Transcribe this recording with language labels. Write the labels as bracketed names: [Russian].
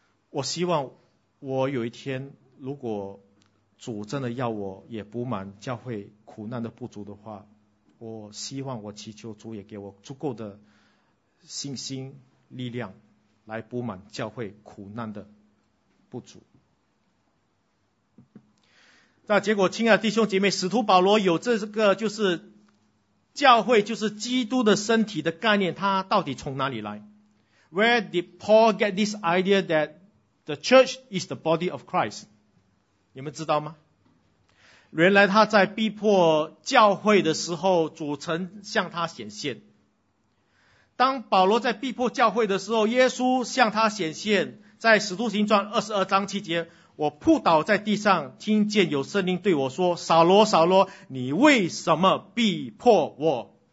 [Chinese] 我希望我有一天如果主真的要我也补满教会苦难的不足的话，我希望我祈求主也给我足够的信心力量来补满教会苦难的不足。那结果亲爱的弟兄姐妹，使徒保罗有这个就是教会就是基督的身体的概念，他到底从哪里来？ [English] Where did Paul get this idea that the church is the body of Christ? [Chinese] 你们知道吗？原来他在逼迫教会的时候，主曾向他显现。当保罗在逼迫教会的时候，耶稣向他显现，在使徒行传二十二章七节，我扑倒在地上，听见有圣灵对我说，扫罗扫罗，你为什么逼迫我？